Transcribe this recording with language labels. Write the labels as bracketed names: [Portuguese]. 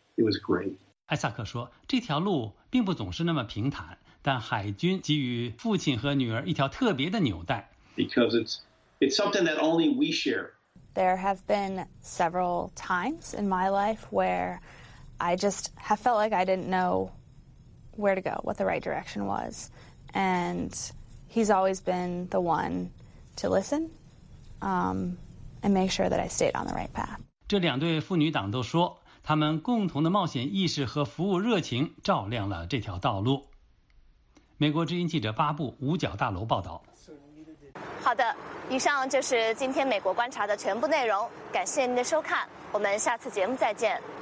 [English] It was great. [Chinese] 艾萨克说，这条路并不总是那么平坦，但海军给予父亲和女儿一条特别的纽带。 [English] Because it's something that only we share. There have been several times in my life where I just have felt like I didn't know where to go, what the right direction was. And he's always been the one to listen, and make sure that I stayed on the right path. [Chinese] 这两对妇女党都说，他们共同的冒险意识和服务热情照亮了这条道路。美国之音记者巴布，五角大楼报道。好的，以上就是今天美国观察的全部内容，感谢您的收看，我们下次节目再见。